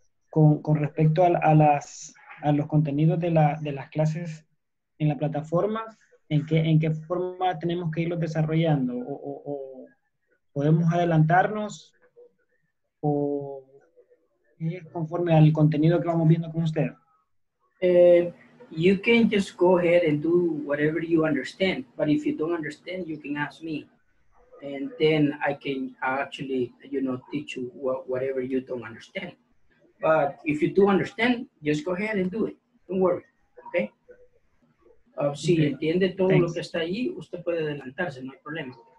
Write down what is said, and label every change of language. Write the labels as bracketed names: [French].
[Spanish] Con respecto a los contenidos de las clases en la plataforma, ¿en qué forma tenemos que irlos desarrollando? ¿O podemos adelantarnos? ¿O es conforme al contenido que vamos viendo con usted? [English] You can just go ahead and do whatever you understand. But if you don't understand, you can ask me. And then I can actually, you know, teach you whatever you don't understand. But if you do understand, just go ahead and do it. Don't worry. Okay? Si okay. [Spanish] Entiende todo Thanks. Lo que está allí, usted puede adelantarse, no hay problema.